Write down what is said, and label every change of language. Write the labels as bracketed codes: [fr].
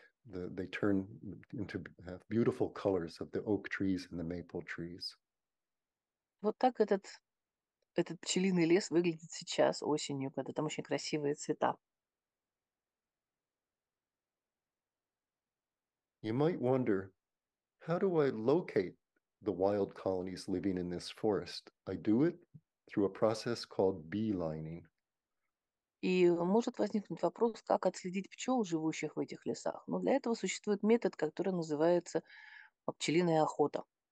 [en] they turn into have beautiful colors of the oak trees and the maple trees. [ru] Вот так этот пчелиный лес выглядит сейчас осенью, когда там очень красивые цвета. [en] You might wonder, how do I locate the wild colonies living in this forest? I do it through a process called beelining. [ru] И может возникнуть вопрос, как отследить пчел, живущих в этих лесах. Но для этого существует метод, который называется пчелиная охота.